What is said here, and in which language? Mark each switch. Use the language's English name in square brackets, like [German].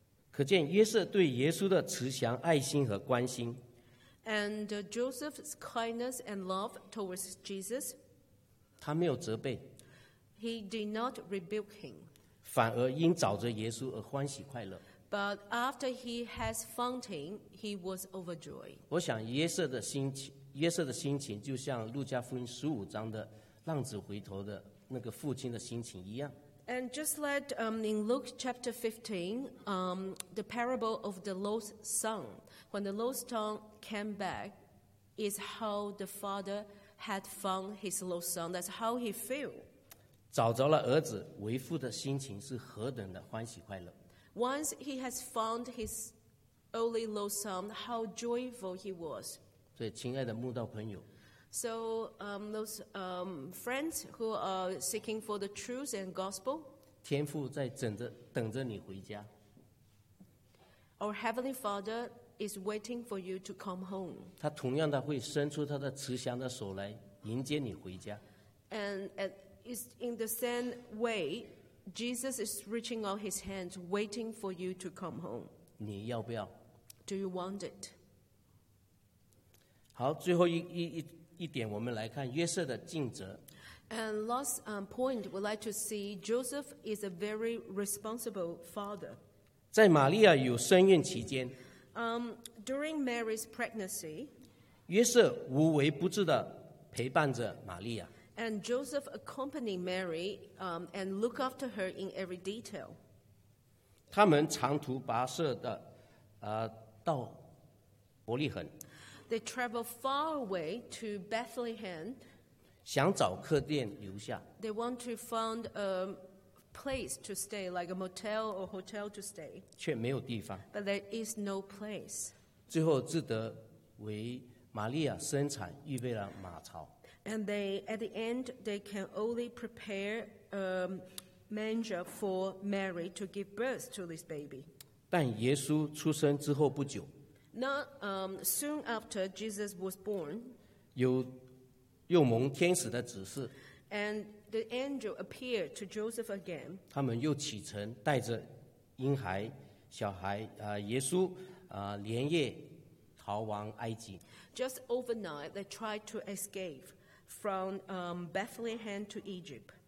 [Chinese] 可见约瑟对耶稣的慈祥、爱心和关心。 [English] And Joseph's kindness and love towards Jesus. [Chinese] 他没有责备。 [English] He did not rebuke him. [Chinese] 反而因找着耶稣而欢喜快乐。 [English] But after he has found him, he was overjoyed. [Chinese] 我想约瑟的心情，约瑟的心情就像路加福音十五章的浪子回头的那个父亲的心情一样。 [English] And just like in Luke chapter 15, the parable of the lost son, when the lost son came back, is how the father had found his lost son. That's how he felt. [Chinese] 找着了儿子，为父的心情是何等的欢喜快乐。 [English] Once he has found his only lost son, how joyful he was. [Chinese] 所以，亲爱的慕道朋友。 [English] So, those friends who are seeking for the truth and gospel. [Chinese] 天父在等着你回家。 [English] Our heavenly Father is waiting for you to come home. [Chinese] 他同样的会伸出他的慈祥的手来迎接你回家。 [English] Is in the same way, Jesus is reaching out his hands, waiting for you to come home. [Chinese] 你要不要 [English] ？Do you want it? [Chinese] 好，最后一点，我们来看约瑟的尽责。 [English] And last point, we'd like to see Joseph is a very responsible father. [Chinese] 在玛利亚有身孕期间 [English] ，during Mary's pregnancy, [Chinese] 约瑟无微不至的陪伴着玛利亚。 [English] And Joseph accompanied Mary and looked after her in every detail. [Chinese] 他们长途跋涉的，到伯利恒。 [English] They traveled far away to Bethlehem. [Chinese] 想找客店留下。 [English] They want to find a place to stay, like a motel or hotel to stay. [Chinese] 却没有地方。 [English] But there is no place. [Chinese] 最后只得为玛利亚生产预备了马槽。 [English] And they, at the end, they can only prepare a manger for Mary to give birth to this baby. [Chinese] 但耶稣出生之后不久 [English] soon after Jesus was born, [Chinese] 又蒙天使的指示 [English] and the angel appeared to Joseph again. [Chinese] 他们又启程，带着婴孩、小孩、耶稣，连夜逃往埃及。 [English] Just overnight, they tried to escape from Bethlehem to Egypt.